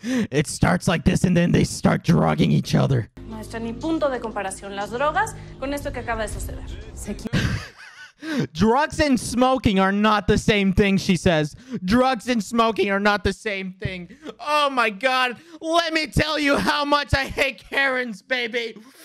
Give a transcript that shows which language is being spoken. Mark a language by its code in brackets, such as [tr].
[en] It starts like this and then they start drugging each other. [es] No está ni punto de comparación las drogas con esto que acaba de suceder. [en] Drugs and smoking are not the same thing, she says. Drugs and smoking are not the same thing. Oh my god, let me tell you how much I hate Karens, baby.